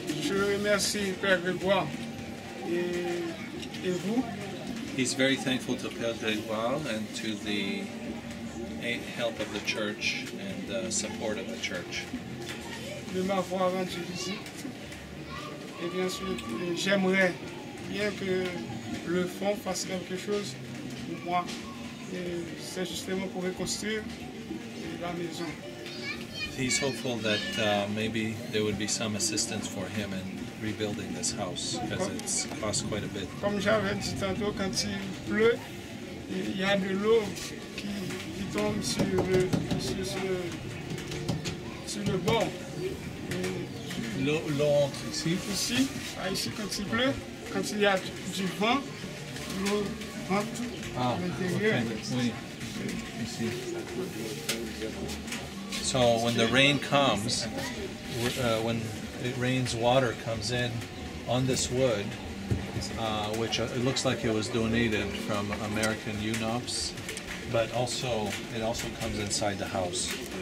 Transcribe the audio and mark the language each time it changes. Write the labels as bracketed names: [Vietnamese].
[English] He's very thankful to Père Grégoire and to the help of the church and the support of the church. [French] De m'avoir rendu visite. Et bien sûr, j'aimerais bien que le fond fasse quelque chose pour moi. Et c'est justement pour reconstruire la maison. [English] He's hopeful that maybe there would be some assistance for him in rebuilding this house because it's cost quite a bit. [French] Comme j'avais dit tantôt, quand il pleut, il y a de l'eau qui tombe sur le bord. L'eau entre ici. Ici, ici quand il pleut, quand il y a du vent, l'eau rentre tout à l'intérieur. Okay. Oui, ici. [English] So when the rain comes, when it rains, water comes in on this wood, which it looks like it was donated from American UNOPS, but also it also comes inside the house.